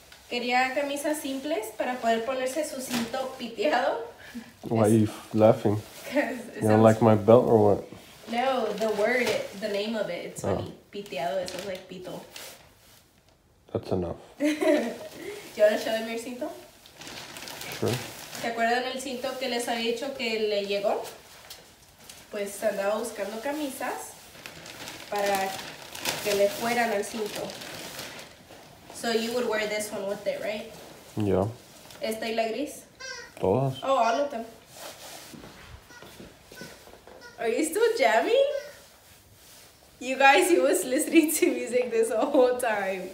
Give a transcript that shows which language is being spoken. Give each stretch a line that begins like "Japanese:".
Spanish: Quería camisas simples para poder ponerse su cinto piteado.
English: Why are you laughing? Because you don't like my belt or what? No, the word, the name of it, it's funny. Piteado, it sounds like pito. That's enough.
Spanish: ¿Yo ahora
English: show them your cinto? Sure.
Spanish: ¿Se acuerdan el cinto que les había dicho que le llegó? Pues andaba buscando camisas para que le fueran al cinto.
English: So you would wear this one with it, right? Yeah.
Spanish: ¿Esta y la gris? Todas.
English: Oh, all of them. Are you still jamming? You guys, he was listening to music this whole time.